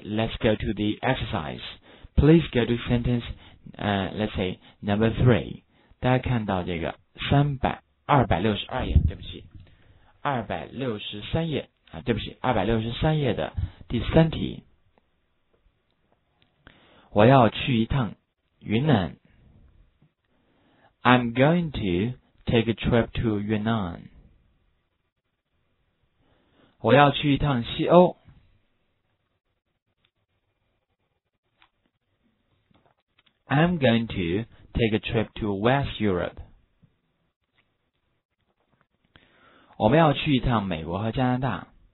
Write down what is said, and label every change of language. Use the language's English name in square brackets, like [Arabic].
[English] Let's go to the exercise. Please go to sentence let's say number 3. [Chinese] 大家看到这个262页，对不起，263页啊，对不起，263页的第三题，我要去一趟云南。 [English] I'm going to take a trip to Yunnan. [Chinese] 我要去一趟西欧。 [English] I'm going to take a trip to West Europe. [Chinese] 我们要去一趟美国和加拿大。